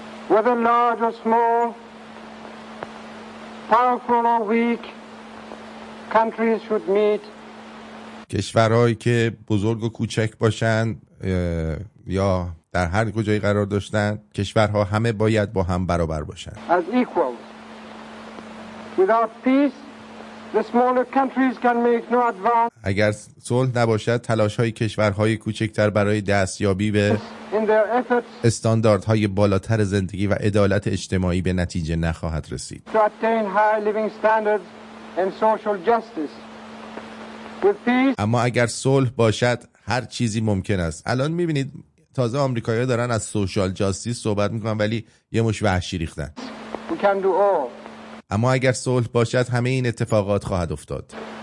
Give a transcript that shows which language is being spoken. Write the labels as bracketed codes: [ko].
[en] whether large or small, powerful or weak, countries should meet. [fa] کشورهایی که بزرگ و کوچک باشن یا در هر کجایی قرار داشتن کشورها همه باید با هم برابر باشن. [en] As equals. Without peace, the smaller countries can make no advance. [fa] اگر صلح نباشد تلاش‌های کشورهای کوچکتر برای دستیابی به استانداردهای بالاتر زندگی و عدالت اجتماعی به نتیجه نخواهد رسید. [en] To attain high living standards and social justice. [fa] اما اگر صلح باشد هر چیزی ممکن است. الان میبینید تازه آمریکایی‌ها دارن از سوشال جاستیس صحبت میکنن ولی یه مش وحشی ریختن. اما اگر صلح باشد همه این اتفاقات خواهد افتاد.